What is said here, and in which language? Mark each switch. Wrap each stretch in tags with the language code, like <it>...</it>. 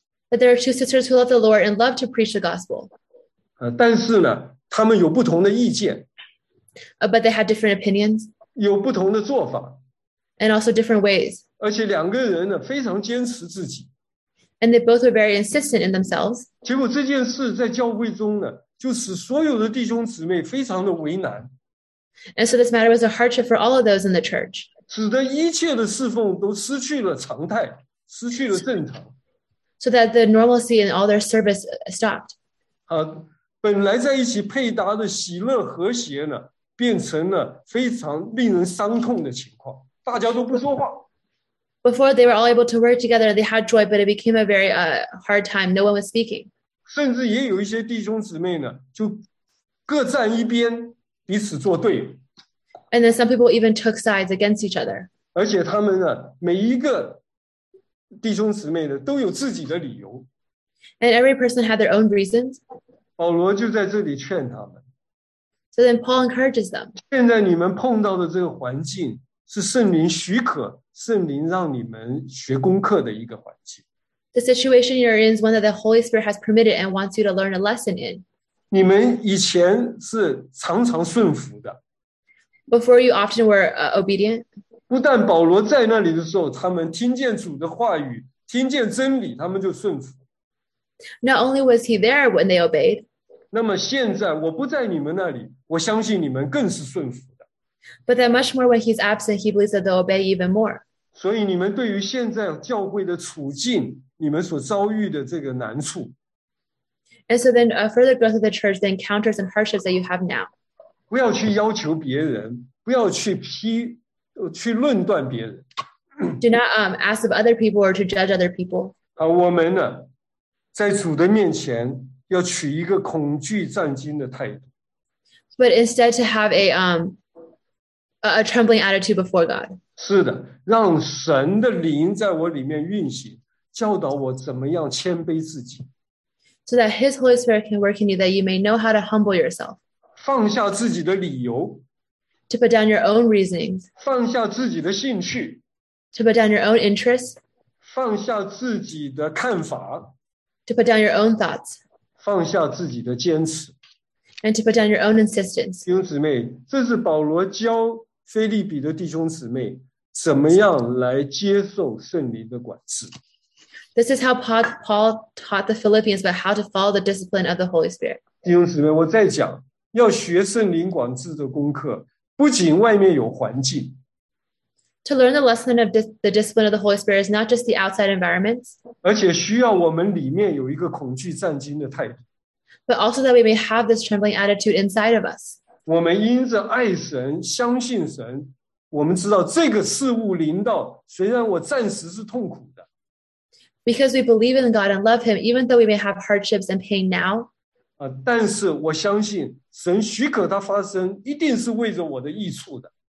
<en>That there are two sisters who love the Lord and love to preach the gospel.</en> <zh>但是呢，他们有不同的意见。</zh> <en>But they had different opinions.</en> <zh>有不同的做法。</zh> <en>And also different ways.</en> <zh>而且两个人呢，非常坚持自己。</zh> <en>And they both were very insistent in themselves.</en> <zh>结果这件事在教会中呢，就使所有的弟兄姊妹非常的为难。</zh> <en>And so this matter was a hardship for all of those in the church.</en> <zh>使得一切的侍奉都失去了常态，失去了正常。</zh> <en>So that the normalcy in all their service stopped.</en> <zh>本来在一起配搭的喜乐和谐呢，变成了非常令人伤痛的情况。大家都不说话。</zh> <en>Before they were all able to work together, they had joy, but it became a very hard time. No one was speaking.</en> <zh>甚至也有一些弟兄姊妹呢，就各站一边，彼此作对。</zh> <en>And then some people even took sides against each other.</en> <zh>而且他们呢，每一个弟兄姊妹呢，都有自己的理由。</zh> <en>And every person had their own reasons.</en> <zh>保罗就在这里劝他们。</zh> <en>So then Paul encourages them.</en> <zh>现在你们碰到的这个环境是圣灵许可，圣灵让你们学功课的一个环境。</zh> <en>The situation you're in is one that the Holy Spirit has permitted and wants you to learn a lesson in.</en> <zh>你们以前是常常顺服的。</zh> <en>Before you often were obedient.</en> <zh>不但保罗在那里的时候，他们听见主的话语，听见真理，他们就顺服。</zh> <en>Not only was he there when they obeyed.</en> <zh>那么现在我不在你们那里，我相信你们更是顺服。</zh> <en>But that much more when he's absent, he believes that they'll obey even more.</en> <zh>所以你们对于现在教会的处境，你们所遭遇的这个难处。</zh> <en>And so then, for the growth of the church, the encounters and hardships that you have now.</en> <zh>不要去要求别人，不要去批，去论断别人。</zh> <en>Do not ask of other people or to judge other people.</en> <zh>我们呢，在主的面前要取一个恐惧战惊的态度。</zh> <en>But instead to have a trembling attitude before God.</en> <zh>是的，让神的灵在我里面运行，教导我怎么样谦卑自己。</zh> <en>So that His Holy Spirit can work in you, that you may know how to humble yourself.</en> <zh>放下自己的理由。</zh> <en>To put down your own reasonings.</en> <zh>放下自己的兴趣。</zh> <en>To put down your own interests.</en> <zh>放下自己的看法。</zh> <en>To put down your own thoughts.</en> <zh>放下自己的坚持。</zh> <en>And to put down your own insistence.</en> <zh>弟兄姊妹，这是保罗教腓立比的弟兄姊妹怎么样来接受圣灵的管制。</zh> <en>This is how Paul taught the Philippians about how to follow the discipline of the Holy Spirit.</en> <zh>弟兄姊妹，我在讲，要学圣灵管制的功课，不仅外面有环境。</zh> <en>To learn the lesson of the discipline of the Holy Spirit is not just the outside environments.</en> <zh>而且需要我们里面有一个恐惧战惊的态度。</zh> <en>But also that we may have this trembling attitude inside of us.</en> <zh>我们因着爱神，相信神，我们知道这个事物临到，虽然我暂时是痛苦的。</zh> <en>Because we believe in God and love Him, even though we may have hardships and pain now.</en> <zh>但是我相信神许可它发生，一定是为着我的益处的。</zh>